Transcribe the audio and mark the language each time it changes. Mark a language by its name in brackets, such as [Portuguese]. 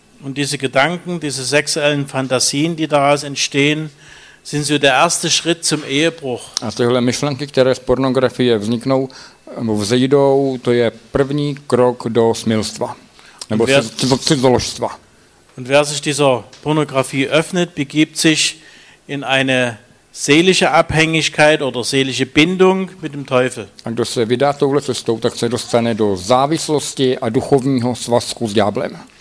[German] Und diese Gedanken, diese sexuellen Fantasien, die daraus entstehen, sind so der erste Schritt zum Ehebruch. [Czech] A tyhle myšlenky, které z pornografie vzniknou, vzejdou, to je první krok do smilstva, nebo cizoložstva. [German] Und wer sich dieser Pornografie öffnet, begibt sich in eine seelische Abhängigkeit oder seelische Bindung mit dem Teufel. [Czech] A kdo se vydá touhle cestou, tak se dostane do závislosti a duchovního svazku s ďáblem.